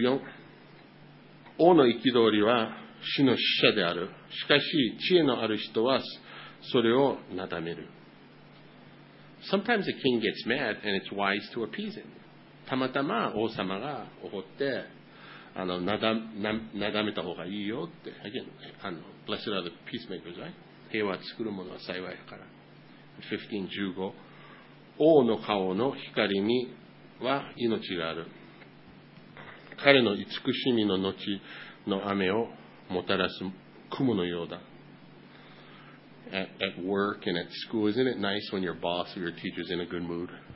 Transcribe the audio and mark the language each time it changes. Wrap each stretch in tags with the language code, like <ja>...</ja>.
<ja>14、王の憤りは死の使者である。しかし知恵のある人はそれをなだめる。</ja> <en>Sometimes a king gets mad and it's wise to appease him.</en> <ja>たまたま王様が怒って、なだめた方がいいよって、again,</ja> <en>blessed are the peacemakers, right?</en> <ja>平和作るものは幸いだから。 15、王の顔の光には命がある。彼の慈しみの後の雨をもたらす雲のようだ。</ja> <en>At work and at school, isn't it nice when your boss or your teacher is in a good mood?</en>